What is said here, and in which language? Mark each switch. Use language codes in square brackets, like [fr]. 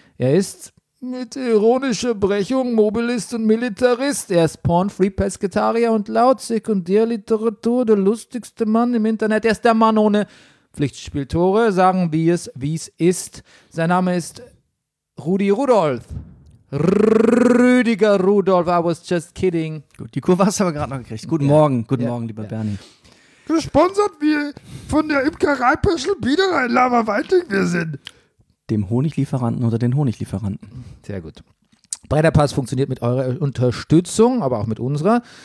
[de] Er ist mit ironischer Brechung Mobilist und Militarist. Er ist Porn-Free-Pesketarier und laut Sekundärliteratur der lustigste Mann im Internet. Er ist der Mann ohne Pflichtspieltore. Sagen wir es, wie es ist. Sein Name ist Rudi Rudolph. [en] Rüdiger Rudolph, I was just kidding. [de] Gut, die Kurve hast du aber gerade noch gekriegt. Guten Morgen, lieber Bernie. Gesponsert wie von der Imkerei-Pöschel Biederein, Lava Weitig wir sind. Dem Honiglieferanten oder den Honiglieferanten. Sehr gut. Brennerpass funktioniert mit eurer Unterstützung, aber auch mit unserer.